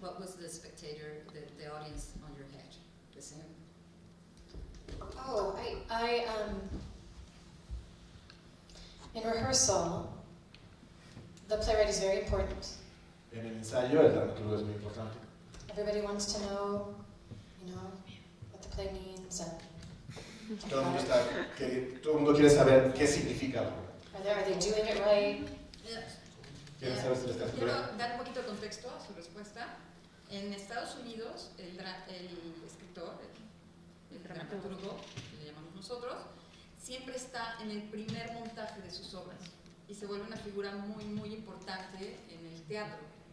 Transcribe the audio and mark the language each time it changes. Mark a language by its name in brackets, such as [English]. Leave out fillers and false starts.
[English] What was the spectator, the audience on your head? The same. Oh, I in rehearsal, the playwright is very important. [Spanish] En el ensayo, el dramaturgo es muy importante. [English] Everybody wants to know, you know, what the play means. And [Spanish] todo el mundo quiere saber qué significa la obra. ¿Quieren saber si lo estás haciendo? Quiero dar un poquito de contexto a su respuesta. En Estados Unidos, el escritor, el dramaturgo, que le llamamos nosotros, siempre está en el primer montaje de sus obras y se vuelve una figura muy, muy importante en el teatro.